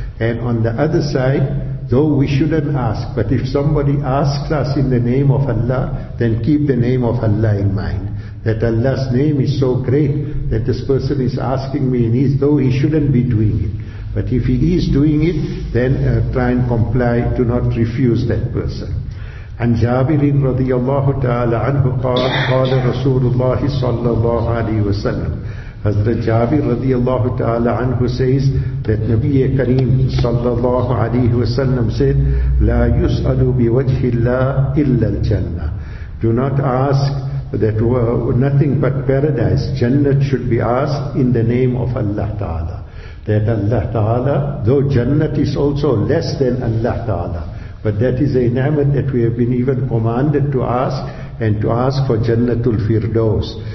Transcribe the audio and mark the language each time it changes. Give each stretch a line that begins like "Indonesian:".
English: And on the other side, though we shouldn't ask, but if somebody asks us in the name of Allah, then keep the name of Allah in mind. That Allah's name is so great that this person is asking me, and though he shouldn't be doing it. But if he is doing it, then try and comply, do not refuse that person.
Arabic: عن جابر رضي الله تعالى عنه قال قال رسول الله صلى الله عليه وسلم. حضرت جابر رضي الله تعالى عنه says that نبي كريم صلى الله عليه وسلم said لا يسأل بوجه الله إلا الجنة.
English: Do not ask that nothing but paradise, Jannah should be asked in the name of Allah Ta'ala. That Allah Ta'ala, though Jannah is also less than Allah Ta'ala, but that is a ni'mat that we have been even commanded to ask, and to ask for Jannatul Firdaus.